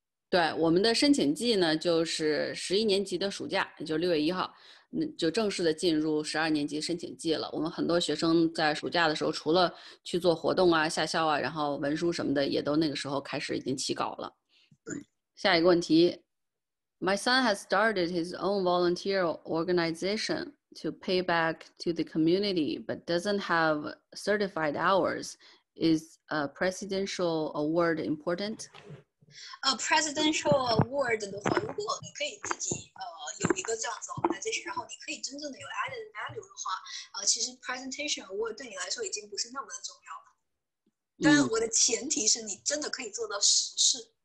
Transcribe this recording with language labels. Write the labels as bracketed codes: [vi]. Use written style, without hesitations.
[zh] 对，我们的申请季呢就是11年级的暑假，就6月1号就正式的进入12年级申请季了。我们很多学生在暑假的时候除了去做活动啊、下校啊，然后文书什么的也都那个时候开始已经起稿了。下一个问题。 [en] My son has started his own volunteer organization to pay back to the community, but doesn't have certified hours. Is a presidential award important? [zh] A presidential award 的话，如果你可以自己有一个这样子 organization， 然后你可以真正的有 added value 的话，其实 presidential award 对你来说已经不是那么的重要了。但我的前提是你真的可以做到实事。